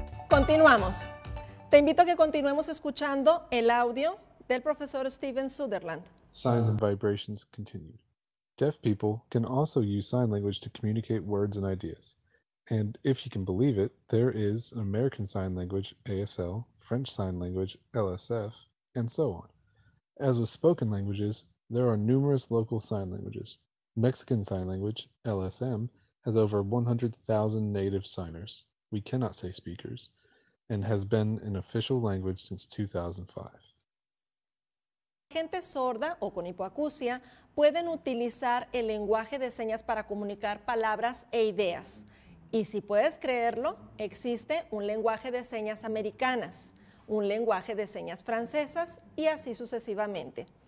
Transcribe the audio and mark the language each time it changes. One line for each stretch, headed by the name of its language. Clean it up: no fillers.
Spanish: Continuamos. Te invito a que continuemos escuchando el audio del profesor Steven Sutherland.
English: Signs and vibrations continued. Deaf people can also use sign language to communicate words and ideas. And if you can believe it, there is an American Sign Language, ASL, French Sign Language, LSF, and so on. As with spoken languages, there are numerous local sign languages. Mexican Sign Language, LSM, has over 100,000 native signers, we cannot say speakers, and has been an official language since 2005.
Spanish: Gente sorda o con hipoacusia pueden utilizar el lenguaje de señas para comunicar palabras e ideas. Y si puedes creerlo, existe un lenguaje de señas americanas, un lenguaje de señas francesas y así sucesivamente.